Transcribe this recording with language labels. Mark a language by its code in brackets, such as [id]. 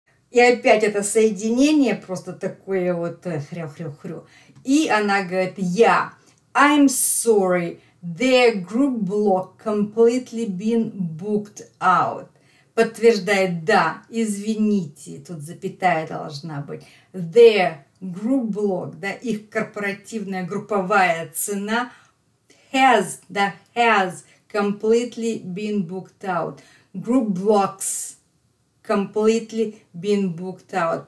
[ru] И опять это соединение, просто такое вот хрю-хрю-хрю. И она говорит, я... [en] I'm sorry, their group block completely been booked out. [ru] Подтверждает, да, извините, тут запятая должна быть. [en] Their group block, [ru] да, их корпоративная групповая цена [en] has, да, has completely been booked out. Group blocks completely been booked out.